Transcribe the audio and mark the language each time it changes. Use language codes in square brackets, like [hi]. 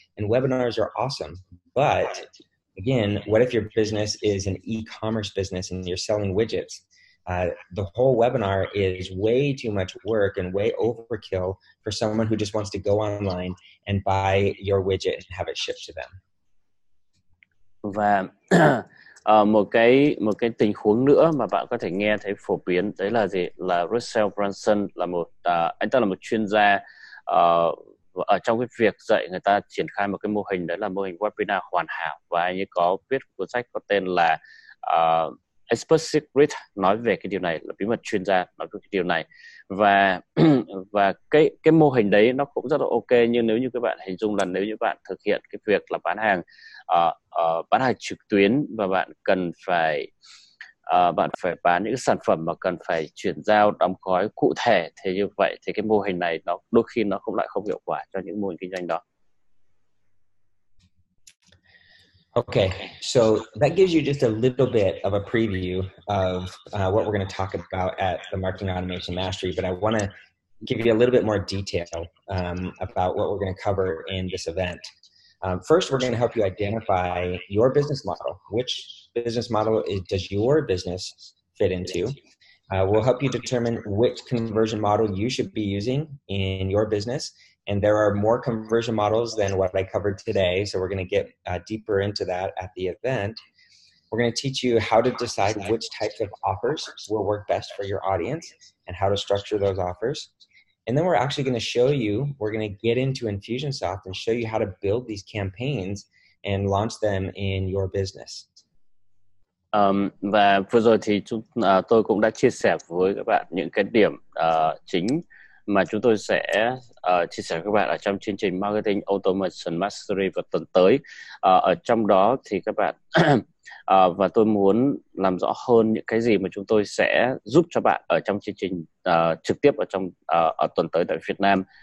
[en] And webinars are awesome. But again, what if your business is an e-commerce business and you're selling widgets? The whole webinar is way too much work and way overkill for someone who just wants to go online and buy your widget and have it shipped to them. [vi] Và một cái tình huống nữa mà bạn có thể nghe thấy phổ biến đấy là gì? Là Russell Brunson là một anh ta là một chuyên gia ở trong cái việc dạy người ta triển khai một cái mô hình, đấy là mô hình webinar hoàn hảo, và anh ấy có viết cuốn sách có tên là Expert Secret, nói về cái điều này, là bí mật chuyên gia nói về cái điều này. Và cái mô hình đấy nó cũng rất là ok, nhưng nếu như các bạn hình dung là nếu như bạn thực hiện cái việc là bán hàng trực tuyến, và bạn phải bán những sản phẩm mà cần phải chuyển giao đóng gói cụ thể, thì như vậy thì cái mô hình này nó đôi khi nó cũng lại không hiệu quả cho những mô hình kinh doanh đó. [en] Okay, so that gives you just a little bit of a preview of what we're going to talk about at the Marketing Automation Mastery, but I want to give you a little bit more detail about what we're going to cover in this event. First, we're going to help you identify your business model. Which business model does your business fit into? We'll help you determine which conversion model you should be using in your business. And there are more conversion models than what I covered today, so we're going to get deeper into that at the event. We're going to teach you how to decide which types of offers will work best for your audience and how to structure those offers. And then we're actually going to show you, we're going to get into Infusionsoft and show you how to build these campaigns and launch them in your business. [vi] Và vừa rồi thì chúng tôi cũng đã chia sẻ với các bạn những cái điểm chính mà chúng tôi sẽ chia sẻ với các bạn ở trong chương trình Marketing Automation Mastery vào tuần tới. Ở trong đó thì các bạn và tôi muốn làm rõ hơn những cái gì mà chúng tôi sẽ giúp cho bạn ở trong chương trình trực tiếp ở trong ở tuần tới tại Việt Nam.